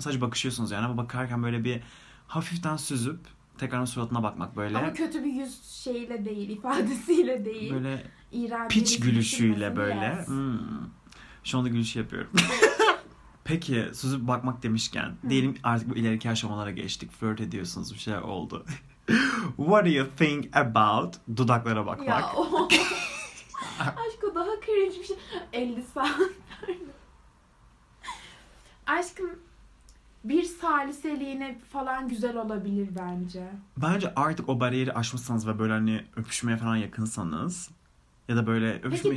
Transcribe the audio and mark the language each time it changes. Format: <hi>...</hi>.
<tr>Sadece bakışıyorsunuz yani ama bakarken böyle bir hafiften süzüp tekrardan suratına bakmak böyle. Ama kötü bir yüz şeyle değil, ifadesiyle değil. Böyle İran piç gülüşüyle böyle. Şu anda gülüş yapıyorum. Peki, süzüp bakmak demişken, diyelim artık bu ileriki aşamalara geçtik, flört ediyorsunuz, bir şey oldu.</tr> <en>What do you think about</en> <tr>dudaklara bakmak? Ya, aşk o daha cringe bir şey. 50 saniye. Aşkım, bir saliseliğine falan güzel olabilir bence. Bence artık o bariyeri aşmışsanız ve böyle hani öpüşmeye falan yakınsanız, ya da böyle öpüşmeye...</tr>